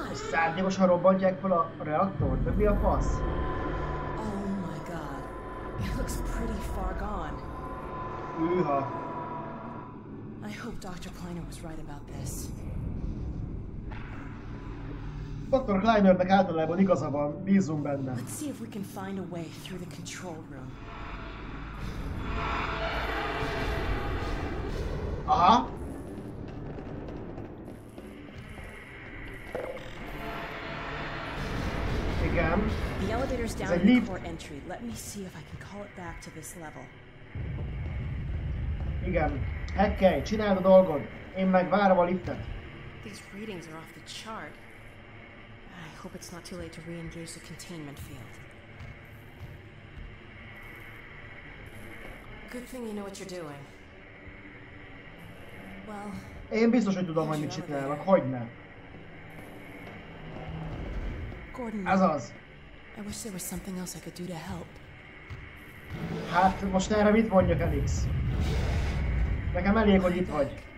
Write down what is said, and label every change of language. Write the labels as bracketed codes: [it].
[hu] Szárnyagosan robbantják fel a reaktor, de mi a fasz? [en] Oh my god. It looks pretty far gone. Üha. I hope Dr. Kleiner was right about this. [hu] Dr. Kleinernek általában igaza van, bízunk benne. [en] Let's see if we can find a way through the control room. Aha! [hu] Igen. [en] The elevator's down before entry. Let me see if I can call it back to this level. [hu] Igen. Hekkelj, csináld a dolgod. Én meg várom a liftet. [en] These readings are off the chart. I hope it's not too late to re-engage the containment field. Good thing you know what you're doing. Well, [hu] én biztos, hogy tudom, hogy mit csinálok. Hogyne? Gordon, ez az. [en] I wish there was something else I could do to help. [hu] Hát, most erre mit mondjak, Alex? Nekem elég, hogy itt vagy.